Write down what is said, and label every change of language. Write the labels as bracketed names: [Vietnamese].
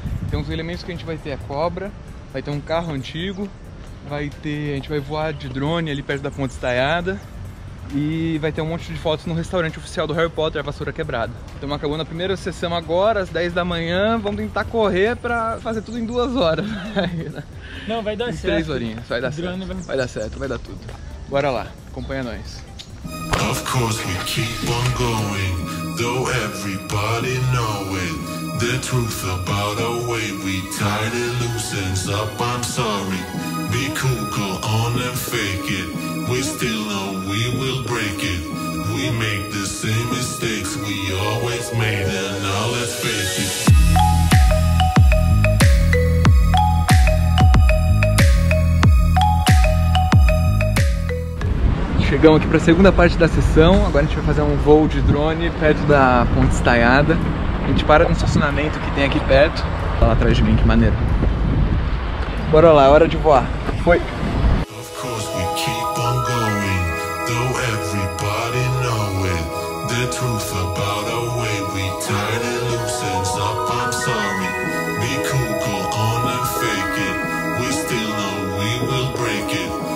[Portuguese] Então, os elementos que a gente vai ter é cobra, vai ter um carro antigo, a gente vai voar de drone ali perto da ponte estaiada e vai ter um monte de fotos no restaurante oficial do Harry Potter, a vassoura quebrada. Estamos acabando a primeira sessão agora, às 10 da manhã. Vamos tentar correr para fazer tudo em 2 horas. Não, vai dar em certo. 3 horinhas, vai dar certo. Vai dar certo, vai dar tudo. Bora lá, acompanha nós. [English] Of course we keep on going, though everybody knowing the truth about our way. We tie the loose ends up, I'm sorry. Be cool, go on and fake it. We still know we will break it. We make the same mistakes we always made, and now let's face it. [Portuguese] Chegamos aqui para a segunda parte da sessão. Agora a gente vai fazer um voo de drone perto da ponte estaiada. A gente para num estacionamento que tem aqui perto. Olha lá atrás de mim, que maneiro. Bora lá, é hora de voar. Foi! [English] Of course we keep on going, though everybody know it. The truth about our way, we tie the loose ends up, I'm sorry. Be cool, go on and fake it. We still know we will break it.